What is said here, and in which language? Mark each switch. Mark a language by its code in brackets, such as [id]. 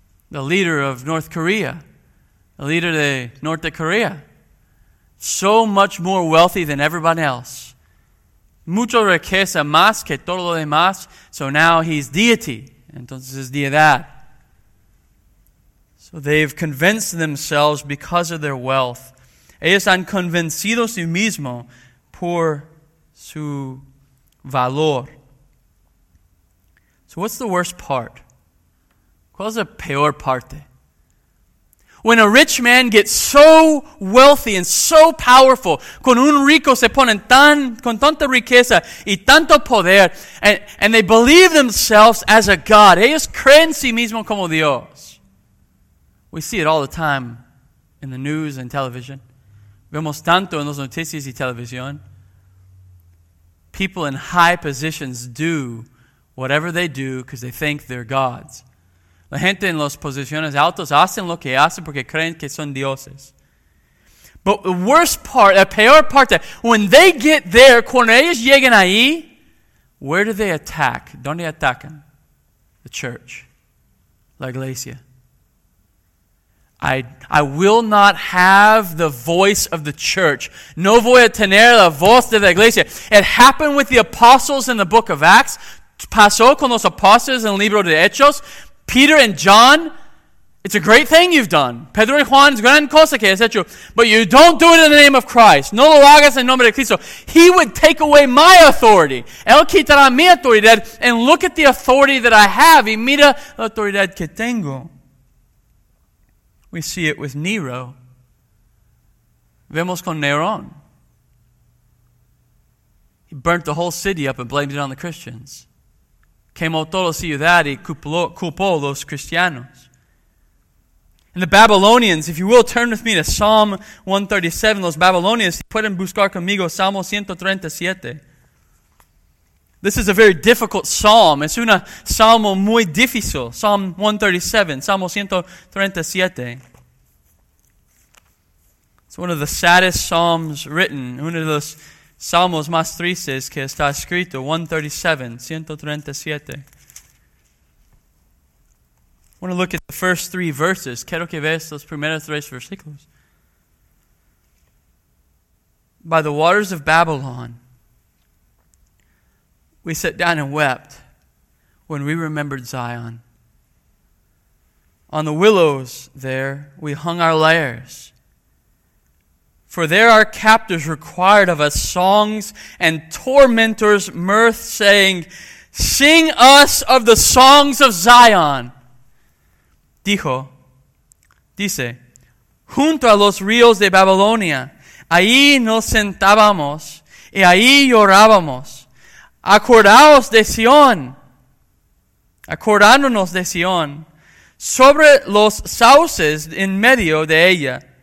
[en] The leader of North Korea. The leader [es] de Norte Korea. [en] So much more wealthy than everyone else. [es] Mucho riqueza más que todo lo demás. [en] So now he's deity. [es] Entonces es deidad. [en] So they've convinced themselves because of their wealth. [es] Ellos han convencido sí mismo por su valor. [en] So what's the worst part? [es] ¿Cuál es la peor parte? [en] When a rich man gets so wealthy and so powerful, [es] con un rico se ponen tan, con tanta riqueza y tanto poder, [en] and they believe themselves as a god. [es] Ellos creen sí mismo como Dios. [en] We see it all the time in the news and television. [es] Vemos tanto en las noticias y televisión. [en] People in high positions do whatever they do because they think they're gods. [es] La gente en las posiciones altas hacen lo que hacen porque creen que son dioses. [en] But the worst part, the [es] peor parte, [en] when they get there, [es] cuando ellos llegan ahí, [en] where do they attack? [es] ¿Dónde atacan? [en] The church. [es] La iglesia. [en] I will not have the voice of the church. [es] No voy a tener la voz de la iglesia. [en] It happened with the apostles in the book of Acts. [es] Pasó con los apóstoles en el libro de Hechos. [en] Peter and John, it's a great thing you've done. [es] Pedro y Juan, es gran cosa que has hecho. [en] But you don't do it in the name of Christ. [es] No lo hagas en nombre de Cristo. [en] He would take away my authority. [es] Él quitará mi autoridad. [en] And look at the authority that I have. [es] Y mira la autoridad que tengo. [en] We see it with Nero. [es] Vemos con Nerón. [en] He burnt the whole city up and blamed it on the Christians. [es] Quemó toda la ciudad y culpó los cristianos. [en] And the Babylonians, if you will, turn with me to Psalm 137. [es] Los Babylonians, pueden buscar conmigo Salmo 137. [en] This is a very difficult psalm. [es] Es una salmo muy difícil. [en] Psalm 137, [es] Salmo 137. [en] It's one of the saddest psalms written. [es] Uno de los salmos más tristes que está escrito. [en] 137, 137. I want to look at the first three verses. [es] Quiero que veas los primeros tres versículos. [en] By the waters of Babylon, we sat down and wept when we remembered Zion. On the willows there, we hung our lyres. For there our captors required of us songs and tormentors mirth, saying, sing us of the songs of Zion. [es] Dice, junto a los ríos de Babilonia, ahí nos sentábamos y ahí llorábamos. Acordaos de Sion, acordándonos de Sion, sobre los sauces en medio de ella.